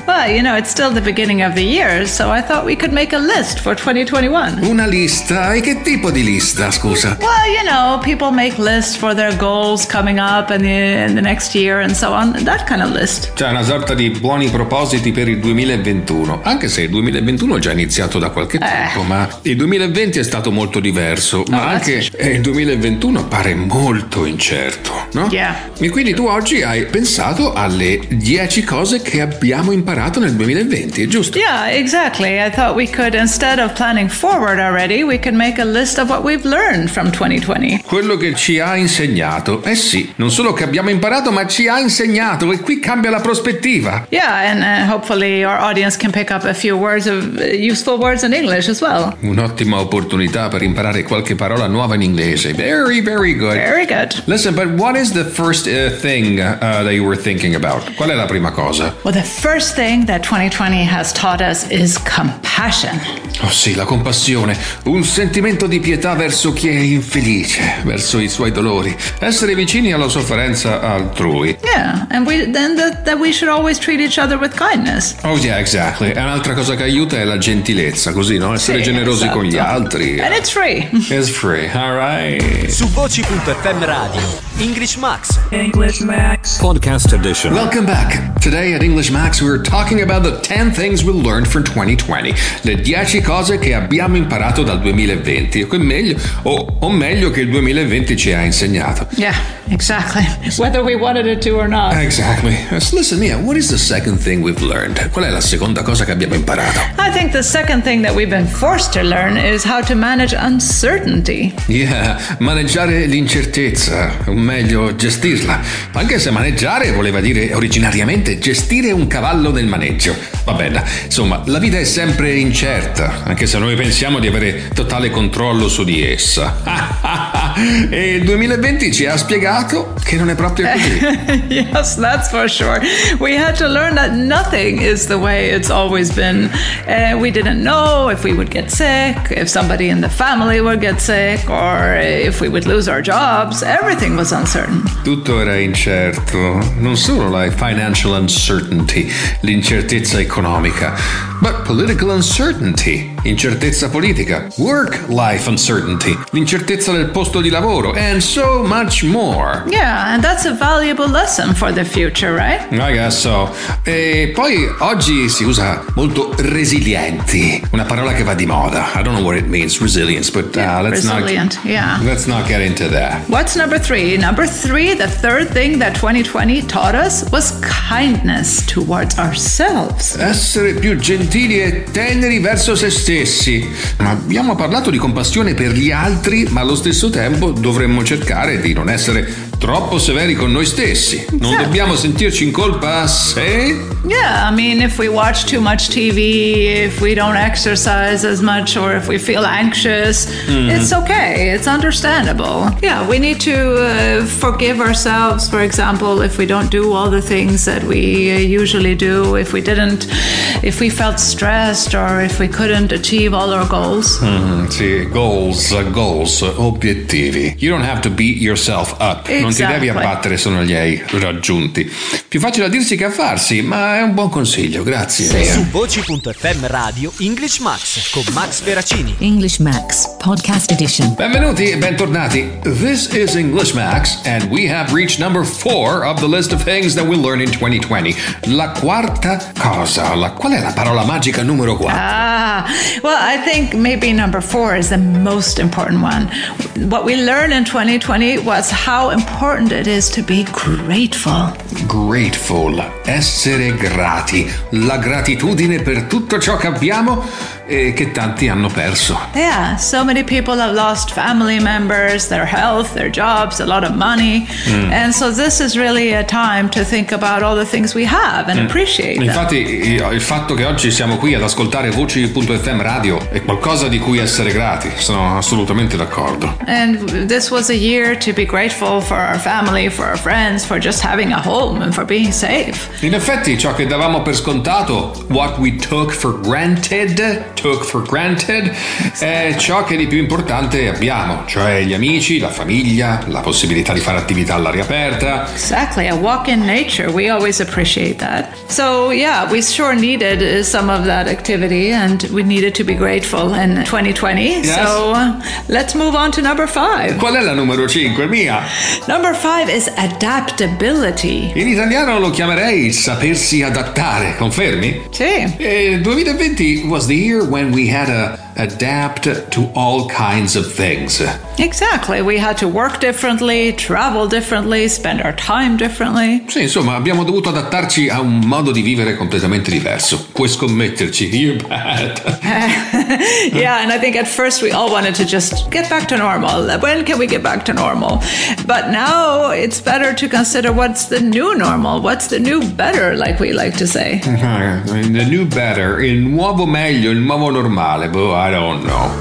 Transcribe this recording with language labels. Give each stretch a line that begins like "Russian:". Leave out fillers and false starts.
English: Well, you know, it's still the beginning of the year, so I thought we could make a list for 2021.
Italian: Una lista? E che tipo di lista, scusa?
English: Well, you know, people make lists for their goals coming up in the next year and so on, that kind of list.
Italian: Cioè, una sorta di buoni propositi per il 2021, anche se il 2021 è già iniziato da qualche tempo, ma il 2020 è stato molto diverso. Ma anche il 2021 pare molto incerto, no?
English: Yeah.
Italian: E quindi tu oggi hai pensato alle 10 cose che abbiamo imparato nel 2020, giusto?
English: Yeah, exactly. I thought we could, instead of planning forward already, we could make a list of what we've learned from 2020.
Italian: Quello che ci ha insegnato. Eh sì, non solo che abbiamo imparato, ma ci ha insegnato. E qui cambia la prospettiva.
English: Yeah, and hopefully our audience can pick up a few words of useful words in English as well.
Italian: Un'ottima opportunità per imparare qualche parola nuova in inglese.
English: Very, very good. Very good. Listen, but what is the first thing that you were thinking about?
Italian: Qual è la prima cosa?
English: Well, the first thing that 2020 has taught us is compassion.
Italian: Oh sì, la compassione. Un sentimento di pietà verso chi è infelice, verso i suoi dolori. Essere vicini alla sofferenza altrui.
English: Yeah, and then we should always treat each other with kindness. Oh yeah, exactly.
Italian: E un'altra cosa che aiuta è la gentilezza, così, no? Essere sì, generosi esatto. Con gli altri.
English: And it's free. It's free, all right. Su voci.fm radio, English Max. English Max. Podcast edition. Welcome back. Today at English Max, we're talking about the 10 things we learned from 2020.
Italian: Le 10 cose che abbiamo imparato dal 2020. Che meglio, o meglio che il 2020 ci ha insegnato.
English: Yeah, exactly. Whether we wanted it to or not. Exactly. So listen, Mia, what is the second thing we've learned?
Italian: Qual è la seconda cosa che abbiamo imparato?
English: I think the second thing that we've been forced to learn is how to manage uncertainty.
Italian: Yeah, maneggiare l'incertezza, o meglio gestirla. Anche se maneggiare voleva dire originariamente gestire un cavallo nel maneggio. Vabbè, insomma, la vita è sempre incerta, anche se noi pensiamo di avere totale controllo su di essa. E il 2020 ci ha spiegato che non è proprio così.
English: Yes, that's for sure. We had to learn that nothing is the way it's always been. We didn't know if we would get sick, if somebody in the family would get sick, or if we would lose our jobs. Everything was uncertain.
Italian: Tutto era incerto. Non solo la
English: financial uncertainty,
Italian: l'incertezza economica,
English: but political uncertainty.
Italian: Incertezza politica,
English: work-life uncertainty,
Italian: l'incertezza del posto di lavoro,
English: and so much more. Yeah, and that's a valuable lesson for the future, right? I guess so.
Italian: E poi oggi si usa molto resilienti, una parola che va di moda.
English: I don't know what it means, resilience, but let's not get into that. What's number three? Number three, the third thing that 2020 taught us was kindness towards ourselves.
Italian: Essere più gentili e teneri verso se stessi. Ma abbiamo parlato di compassione per gli altri, ma allo stesso tempo dovremmo cercare di non essere troppo severi con noi stessi. Non
English: exactly.
Italian: Dobbiamo sentirci in colpa se...
English: Yeah, I mean, if we watch too much TV, if we don't exercise as much, or if we feel anxious, it's okay, it's understandable. Yeah, we need to forgive ourselves, for example, if we don't do all the things that we usually do, if we felt stressed, or if we couldn't achieve all our goals. Obiettivi. You don't have to beat yourself up. Non exactly.
Italian: Ti devi abbattere se non li hai raggiunti. Più facile a dirsi che a farsi, ma è un buon consiglio, grazie. Sì. Su voci.fm radio English Max con Max Veracini.
English: English Max Podcast Edition.
Italian: Benvenuti e bentornati.
English: This is English Max and we have reached number 4 of the list of things that we learned in 2020.
Italian: La quarta cosa, qual è la parola magica numero 4?
English: Ah, well, I think maybe number 4 is the most important one. What we learned in 2020 was how important it is to be grateful.
Italian: Grateful, essere grati, la gratitudine per tutto ciò che abbiamo che tanti hanno perso.
English: Yeah, so many people have lost family members, their health, their jobs, a lot of money. Mm. And so this is really a time to think about all the things we have and appreciate.
Italian: Infatti, il fatto che oggi siamo qui ad ascoltare Voci.fm Radio è qualcosa di cui essere grati. Sono assolutamente d'accordo.
English: And this was a year to be grateful for our family, for our friends, for just having a home and for being safe.
Italian: In effetti, ciò che davamo per scontato,
English: what we took for granted,
Italian: è ciò che di più importante abbiamo, cioè gli amici, la famiglia, la possibilità di fare attività all'aria aperta.
English: Exactly, a walk in nature, we always appreciate that. So yeah, we sure needed some of that activity and we needed to be grateful in 2020. Yes. So let's move on to number 5.
Italian: Qual è la numero 5, Mia?
English: Number 5 is adaptability.
Italian: In italiano lo chiamerei sapersi adattare, confermi? Sì. E
English: 2020 was the year when we had to adapt to all kinds of things. Exactly. We had to work differently, travel differently, spend our time differently.
Italian: Sì, insomma, abbiamo dovuto adattarci a un modo di vivere completamente diverso. Puoi scommetterci,
English: you bet. Yeah, and I think at first we all wanted to just get back to normal. When can we get back to normal? But now it's better to consider what's the new normal, what's the new better, like we like to say. The new better,
Italian: il nuovo meglio, il nuovo normale, boh,
English: I don't know.